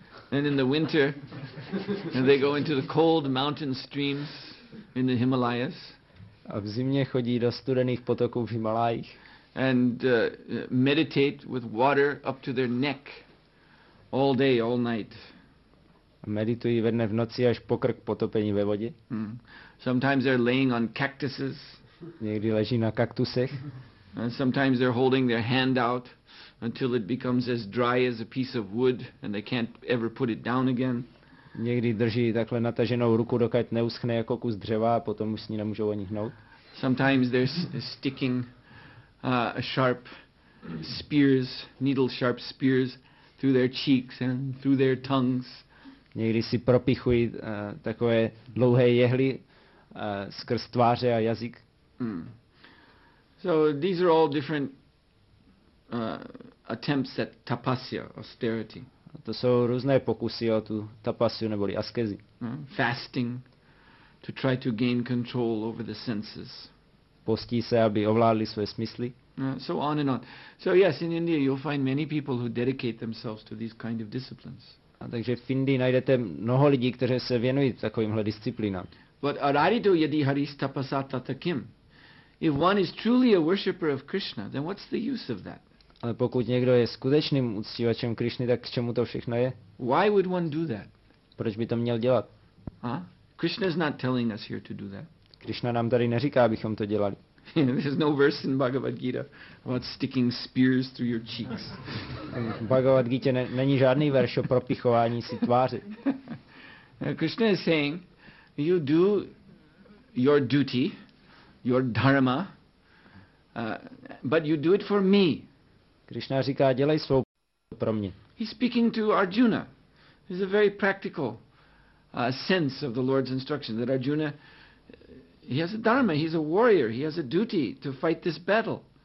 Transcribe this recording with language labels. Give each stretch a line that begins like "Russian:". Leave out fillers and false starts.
English: And in the winter, they go into the cold mountain streams in the Himalayas.
Czech: A v zimě chodí do studených potoků v Himalajích.
English: And meditate with water up to their neck all day, all night.
Czech: A meditují ve dne v noci až po krk potopení ve vodě.
English: Sometimes they're laying on cactuses.
Czech: Někdy leží na kaktusech.
English: And sometimes they're holding their hand out until it becomes as dry as a piece of wood and they can't ever put it down again.
Czech: Někdy drží takhle nataženou ruku, dokud neuschne jako kus dřeva, a potom už s ní nemůžou ani hnout.
English: Sometimes they're sticking sharp spears, needle sharp spears through their cheeks and through their tongues.
Czech: Někdy si propichují takové dlouhé jehly skrz tváře a jazyk.
English: So these are all different attempts at tapasya, austerity.
Czech: To jsou různé pokusy o tu tapasyu neboli askezi.
English: Fasting to try to gain control over the senses.
Czech: Postí se, aby ovládli své smysly.
English: So on and on. So yes, in India you'll find many people who dedicate themselves to these kind of disciplines.
Czech: A takže v Indii najdete mnoho lidí, kteří se věnují takovýmhle disciplínám.
Sanskrit: But arido yadi haris tapasata takim.
English: If one is truly a worshipper of Krishna, then what's the use of that?
Czech: Ale pokud někdo je skutečným uctívačem Krišny, tak k čemu to všechno je?
English: Why would one do that?
Czech: Proč by to měl dělat?
English: Krishna is not telling us here to do that.
Czech: Krišna nám tady neříká, abychom to dělali.
English: There's no verse in Bhagavad Gita about sticking spears through your cheeks.
Czech: Bhagavad Gita není žádný verš o propichování si tváře.
English: Krishna is saying, you do your duty, your dharma, but you do it for me.
Czech: Krishna říká, dělej svou pro mě.
English: He's speaking to Arjuna. There's a very practical sense of the Lord's instruction that Arjuna, he has a dharma, he's a warrior, he has a duty to fight this battle.